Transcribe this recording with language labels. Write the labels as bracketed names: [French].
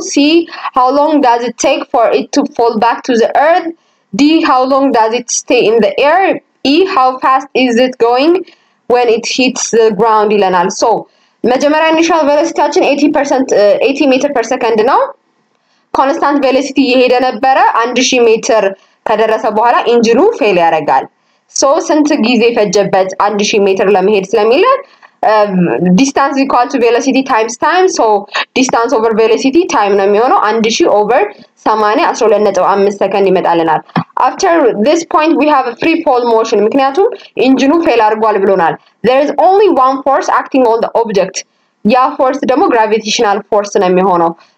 [English] C, how long does it take for it to fall back to the earth? D, how long does it stay in the air? E, how fast is it going when it hits the ground? So, [Amharic] መጀመሪያ [English] initial velocity 80 meter per second ነው. constant velocity [Amharic] የሄደ ነበረ 1000 ሜትር ከደረሰ በኋላ ኢንጂኑ ፌል ያደርጋል. [English] so [Amharic] ስንት ጊዜ ፈጀበት 1000 ሜትር ለመሄድ ስለሚለ [English] distance is equal to velocity times time. so distance over velocity time [Amharic] ነው የሚሆነው [English] 1000 over 8.5 [Amharic] ሰከንድ ይመጣልናል. [English] after this point we have a free fall motion [Amharic] ምክንያቱም ኢንጂኑ ፌል አድርጓል ብሎናል. [English] there is only one force acting on the object. [Amharic] ያ force ደግሞ gravitational force ነው የሚሆነው.